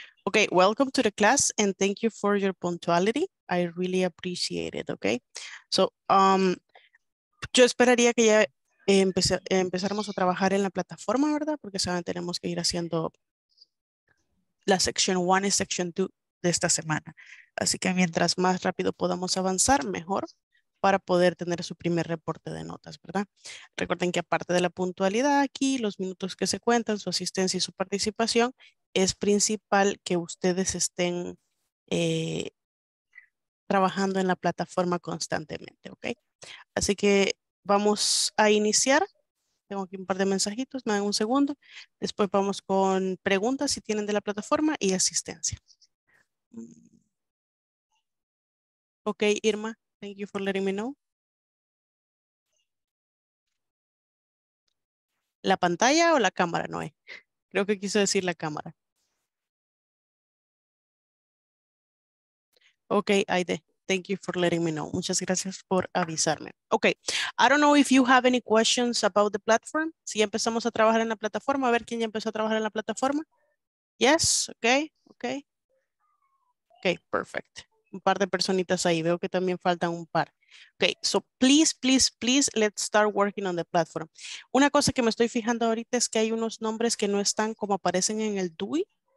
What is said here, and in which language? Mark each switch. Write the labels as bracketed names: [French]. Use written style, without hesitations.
[English] Okay, welcome to the class and thank you for your puntuality. I really appreciate it, okay? [Spanish] So, yo esperaría que ya empezáramos a trabajar en la plataforma, ¿verdad? Porque saben, tenemos que ir haciendo la section 1 y section 2 de esta semana. Así que mientras más rápido podamos avanzar, mejor para poder tener su primer reporte de notas, ¿verdad? Recuerden que aparte de la puntualidad aquí, los minutos que se cuentan, su asistencia y su participación, es principal que ustedes estén trabajando en la plataforma constantemente, ¿ok? Así que vamos a iniciar. Tengo aquí un par de mensajitos, me dan un segundo. Después vamos con preguntas si tienen de la plataforma y asistencia. [English] Ok, Irma, thank you for letting me know. [Spanish] ¿La pantalla o la cámara, Noé? Creo que quiso decir la cámara. [English] Ok, Aide, thank you for letting me know. [Spanish] Muchas gracias por avisarme. [English] Ok, I don't know if you have any questions about the platform. [Spanish] Si ya empezamos a trabajar en la plataforma, a ver quién ya empezó a trabajar en la plataforma. [English] Yes, ok, ok. Ok, perfect. [Spanish] Un par de personitas ahí, veo que también faltan un par. [English] Ok, so please, please, please, let's start working on the platform. [Spanish] Una cosa que me estoy fijando ahorita es que hay unos nombres que no están como aparecen en el DUI.